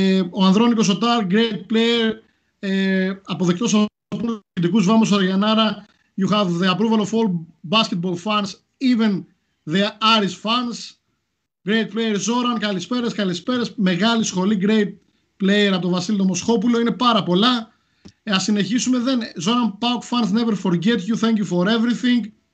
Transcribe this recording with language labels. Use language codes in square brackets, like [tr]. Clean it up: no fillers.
[el] Ο Ανδρόνικος Σοτάρ, [en] great player. [el] Αποδεκτός από τους κριτικούς, Βάμος Αργιανάρα. [en] You have the approval of all basketball fans, even the Aris fans. Great player Zoran, [el] καλησπέρες. Μεγάλη σχολή, [en] great player [el] από τον Βασίλη Μοσχόπουλο. Είναι πάρα πολλά. Ας συνεχίσουμε. [en] Zoran, PAOK fans never forget you. Thank you for everything.